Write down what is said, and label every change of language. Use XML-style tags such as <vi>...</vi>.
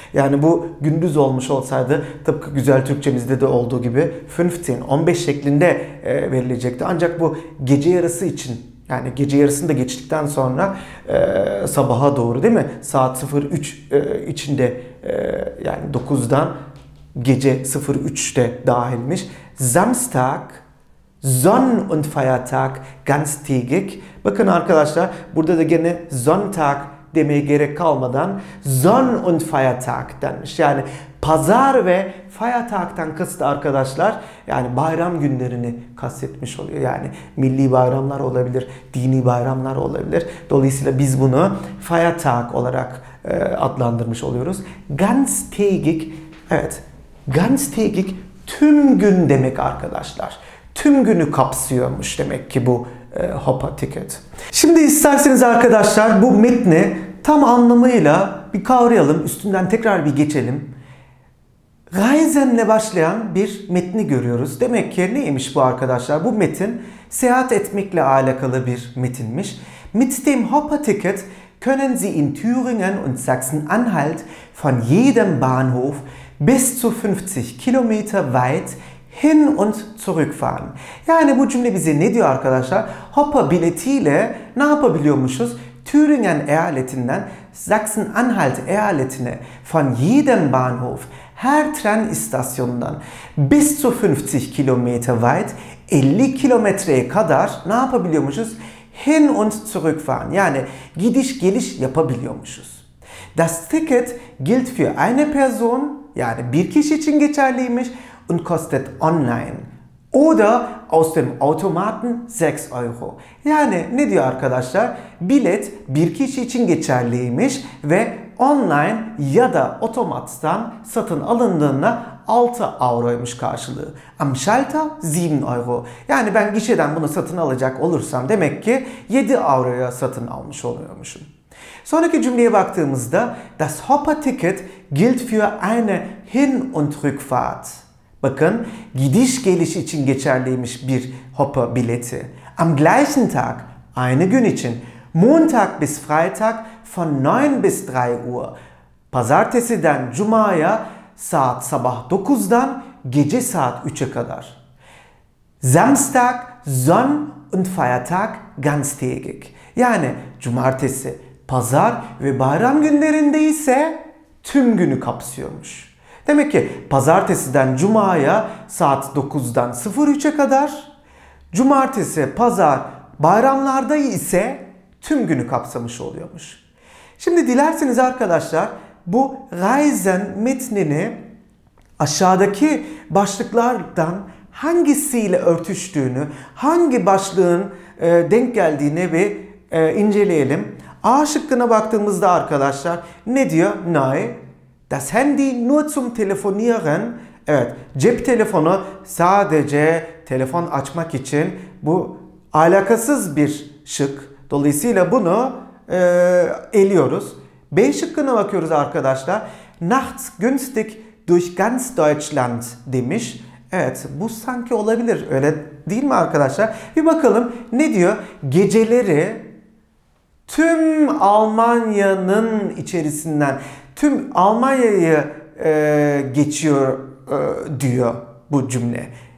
<tr>Yani bu gündüz olmuş olsaydı tıpkı güzel Türkçemizde de olduğu gibi 15 şeklinde verilecekti. Ancak bu gece yarısı için, yani gece yarısını da geçtikten sonra sabaha doğru değil mi? Saat 03 içinde yani 9'dan gece 03'te dahilmiş.</tr> <de>Samstag, Sonn- und Feiertag, ganztägig.</de> <tr>Bakın arkadaşlar, burada da gene Sonntag demeye gerek kalmadan</tr> <de>Sonn- und Feiertag</de> <tr>denmiş. Yani pazar ve Feiertag'tan kastı arkadaşlar, yani bayram günlerini kastetmiş oluyor. Yani milli bayramlar olabilir, dini bayramlar olabilir. Dolayısıyla biz bunu Feiertag olarak adlandırmış oluyoruz. Ganztägig, evet, ganztägig. Tüm gün demek arkadaşlar. Tüm günü kapsıyormuş demek ki bu Hoppe Ticket. Şimdi isterseniz arkadaşlar bu metni tam anlamıyla bir kavrayalım. Üstünden tekrar bir geçelim. Reisen'le başlayan bir metni görüyoruz. Demek ki neymiş bu arkadaşlar? Bu metin seyahat etmekle alakalı bir metinmiş.</tr> <de>Mit dem Hoppe Ticket können Sie in Thüringen und Sachsen-Anhalt von jedem Bahnhof bis zu 50 kilometer weit hin und zurückfahren.</de> <tr>Yani bu cümle bize ne diyor arkadaşlar? Hoppe biletiyle ne yapabiliyormuşuz? Thüringen eyaletinden Sachsen-Anhalt eyaletine</tr> <de>von jedem Bahnhof,</de> <tr>her tren istasyonundan</tr> <de>bis zu 50 kilometer weit,</de> <tr>50 kilometreye kadar ne yapabiliyormuşuz?</tr> <de>Hin und zurückfahren.</de> <tr>Yani gidiş geliş yapabiliyormuşuz.</tr> <de>Das Ticket gilt für eine Person,</de> <tr>yani bir kişi için geçerliymiş.</tr> <de>Und kostet online. Oder aus dem Automaten 6 Euro.</de> <tr>Yani ne diyor arkadaşlar? Bilet bir kişi için geçerliymiş ve online ya da otomattan satın alındığında 6 Euro'ymuş karşılığı.</tr> <de>Am Schalter 7 Euro.</de> <tr>Yani ben gişeden bunu satın alacak olursam demek ki 7 Euro'ya satın almış oluyormuşum. Sonraki cümleye baktığımızda</tr> <de>das Hoppe Ticket gilt für eine Hin- und Rückfahrt.</de> <tr>Bakın gidiş geliş için geçerliymiş bir hoppe bileti.</tr> <de>Am gleichen Tag,</de> <tr>aynı gün için.</tr> <de>Montag bis Freitag von 9 bis 3 Uhr.</de> <tr>Pazartesiden Cuma'ya saat sabah 9'dan gece saat 3'e kadar.</tr> <de>Samstag, Sonn- und Feiertag ganztägig.</de> <tr>Yani cumartesi, pazar ve bayram günlerinde ise tüm günü kapsıyormuş. Demek ki pazartesiden cumaya saat 9'dan 03'e kadar, cumartesi, pazar, bayramlarda ise tüm günü kapsamış oluyormuş. Şimdi dilerseniz arkadaşlar bu Reisen metnini aşağıdaki başlıklardan hangisiyle örtüştüğünü, hangi başlığın denk geldiğini bir inceleyelim. A şıkkına baktığımızda arkadaşlar ne diyor?</tr> <de>Nein, das Handy nur zum Telefonieren.</de> <tr>Evet, cep telefonu sadece telefon açmak için, bu alakasız bir şık. Dolayısıyla bunu eliyoruz. B şıkkına bakıyoruz arkadaşlar.</tr> <de>Nachts günstig durch ganz Deutschland demiş.</de> <tr>Evet, bu sanki olabilir, öyle değil mi arkadaşlar? Bir bakalım ne diyor? Geceleri tüm Almanya'nın içerisinden, tüm Almanya'yı geçiyor diyor bu cümle.</tr>